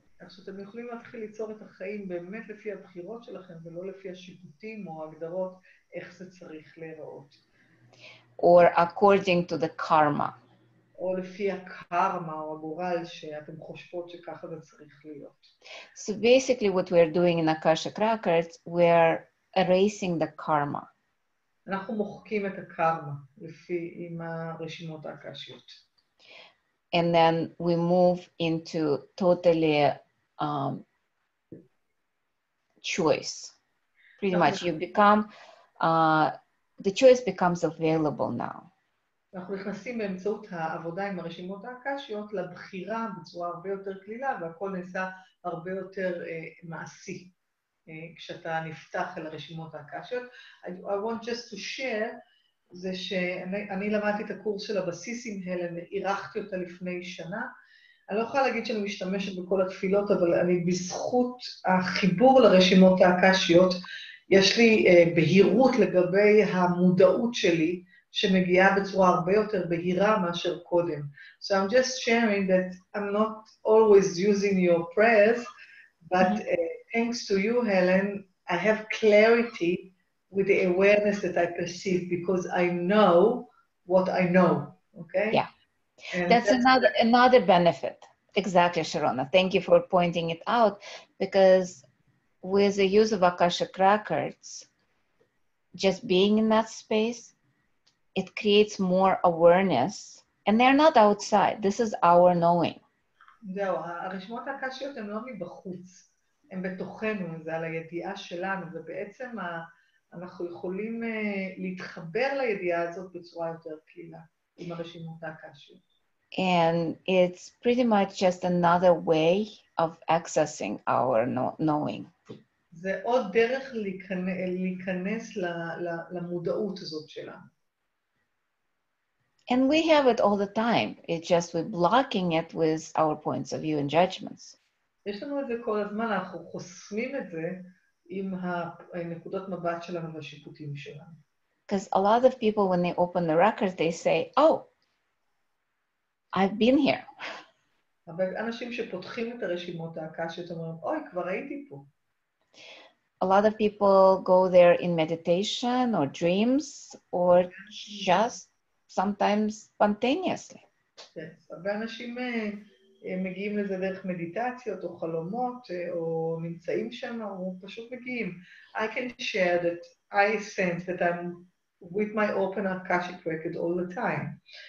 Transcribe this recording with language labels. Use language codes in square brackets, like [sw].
[he] אז אתם יכולים להתחיל ליצור את החיים באמת לפי הבחירות שלכם ולא לפי השיפוטים או הגדרות איך זה צריך להיראות. [en] Or according to the karma. [he] או לפי הקרמה או הגורל שאתם חושבות שככה זה צריך להיות. [en] So basically what we are doing in Akashic Records, we are erasing the karma. [he] אנחנו מוחקים את הקרמה לפי עם הרשימות האקשיות. [en] And then we move into totally choice. Pretty much you become, the choice becomes available now. [he] אנחנו נכנסים באמצעות העבודה עם הרשימות האקשיות לבחירה בצורה הרבה יותר קלילה, והכל נעשה הרבה יותר מעשי כשאתה נפתח אל הרשימות האקשיות. [en] I want just to share, [he] זה שאני למדתי את הקורס של הבסיס עם הלן, עירחתי אותה לפני שנה. אני לא יכולה להגיד שאני משתמשת בכל התפילות, אבל אני בזכות החיבור לרשימות האקשיות, יש לי בהירות לגבי המודעות שלי, שמגיעה בצורה הרבה יותר בהירה מאשר קודם. [en] So I'm just sharing that I'm not always using your prayers, but thanks to you, Helen, I have clarity with the awareness that I perceive because I know what I know, okay? Yeah, that's another benefit. Exactly, Sharona. Thank you for pointing it out, because with the use of Akashic Records, just being in that space, it creates more awareness, and they're not outside. This is our knowing. [he] זהו, הרשמות הקשיות הן לא מבחוץ. הם בתוכנו, זה על הידיעה שלנו, ובעצם אנחנו יכולים להתחבר לידיעה הזאת בצורה יותר קלילה, עם הרשימות הקשיות. [en] And it's pretty much just another way of accessing our knowing. [he] זה עוד דרך להיכנס למודעות הזאת שלנו. [en] And we have it all the time. It's just we're blocking it with our points of view and judgments. [he] יש לנו את זה כל הזמן, אנחנו חוסמים את זה עם הנקודות מבט שלנו והשיפוטים שלנו. [en] Because a lot of people, when they open the records, they say, oh, I've been here. [he] אבל אנשים שפותחים את הרשימות האקשיות אומרים, אוי, כבר הייתי פה. [en] A lot of people go there in meditation or dreams or just sometimes spontaneously. [he] Yes, הרבה אנשים מגיעים לזה דרך מדיטציות או חלומות או נמצאים שם או פשוט מגיעים. [en] I can share that I sense that I'm with my open Akashic record all the time.